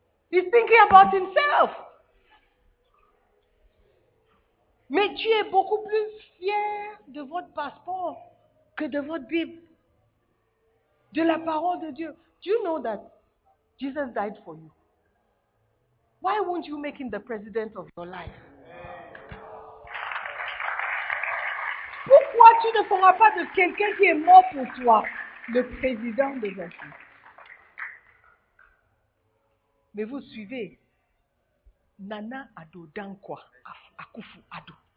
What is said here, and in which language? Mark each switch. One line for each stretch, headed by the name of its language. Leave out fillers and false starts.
English: He's thinking about himself.
French: Mais tu es beaucoup plus fier de votre passeport que de votre Bible, de la parole de Dieu.
English: Do you know that Jesus died for you? Why won't you make him the president of your life?
French: Pourquoi tu ne feras pas de quelqu'un qui est mort pour toi le président de ta vie? Mais vous suivez Nana Ado Dankwa Akufu Ado.